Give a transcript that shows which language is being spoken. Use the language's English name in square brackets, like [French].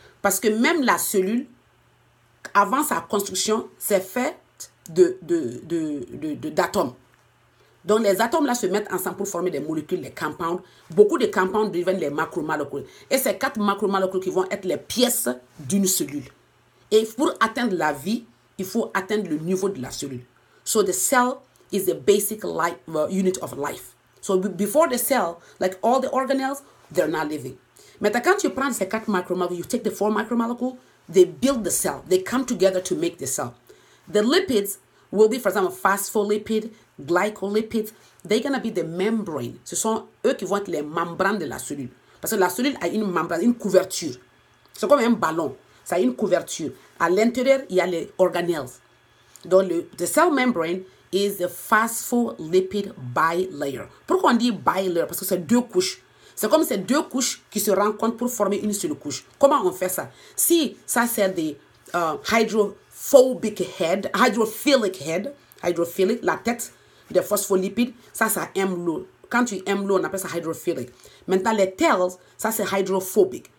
[French] Parce que même la cellule, avant sa construction, c'est faite d'atomes. Donc les atomes là se mettent ensemble pour former des molécules, les compounds. Beaucoup de compounds deviennent les macromolécules. Et ces quatre macromolécules qui vont être les pièces d'une cellule. Et pour atteindre la vie, il faut atteindre le niveau de la cellule. [English] So the cell is the basic life, unit of life. So before the cell, like all the organelles, they're not living. [French] Maintenant, quand tu prends ces quatre macromolécules, you take the four macromolécules, they build the cell. [English] They come together to make the cell. The lipids will be, for example, phospholipid, glycolipids. They're going to be the membrane. [French] Ce sont eux qui vont être les membranes de la cellule. Parce que la cellule a une membrane, une couverture. C'est comme un ballon. Ça a une couverture. À l'intérieur, il y a les organelles. [English] Donc, the cell membrane is the phospholipid bilayer. [French] Pourquoi on dit bilayer? Parce que c'est deux couches. C'est comme ces deux couches qui se rencontrent pour former une seule couche. Comment on fait ça? Si ça, c'est des hydrophilic head, la tête des phospholipides, ça, ça aime l'eau. Quand tu aimes l'eau, on appelle ça hydrophilic. Maintenant, les tails, ça, c'est hydrophobic.